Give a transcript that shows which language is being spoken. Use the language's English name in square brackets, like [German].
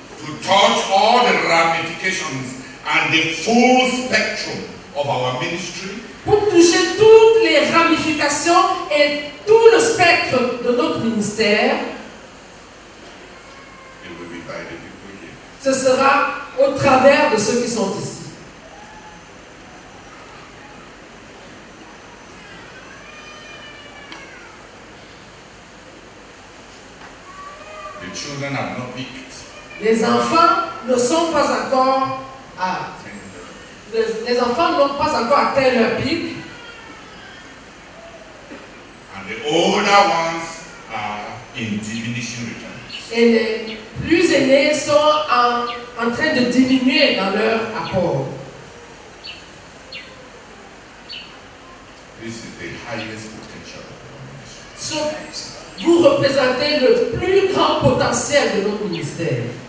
[English] to touch all the ramifications and the full spectrum of our ministry, [French] pour toucher toutes les ramifications et tout le spectre de notre ministère, [English] it will be by the people here. [French] Ce sera au travers de ceux qui sont ici. [English] The children are not picked. [French] Les enfants ne sont pas encore à... Les enfants n'ont pas encore atteint leur pic. [English] And the older ones are in diminishing returns. [French] Et les plus aînés sont en train de diminuer dans leur apport. [English] This is the highest potential. [French] So, vous représentez le plus grand potentiel de notre ministère.